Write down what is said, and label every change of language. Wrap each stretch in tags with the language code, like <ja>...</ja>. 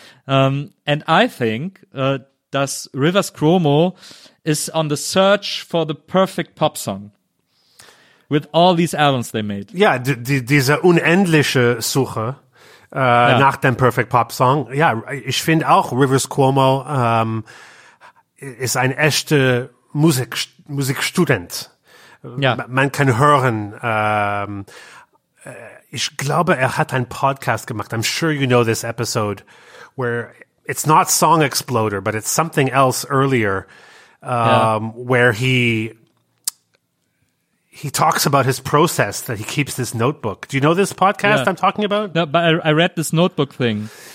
<en>And I think</en> <de>dass</de> <en>Rivers Cuomo is on the search for the perfect pop song with all these albums they made.</en> <de>Ja, diese unendliche Suche nach dem</de> <en>perfect pop song.</en> <de>Ja, ich finde auch, Rivers Cuomo ist ein echter Musikstudent. Ja. Man kann hören, ich glaube, er hat einen Podcast gemacht.</de> <en>I'm sure you know this episode, where it's not Song Exploder, but it's something else earlier, where he talks about his process, that he keeps this notebook. Do you know this podcast I'm talking about? No, but I read this notebook thing.</en>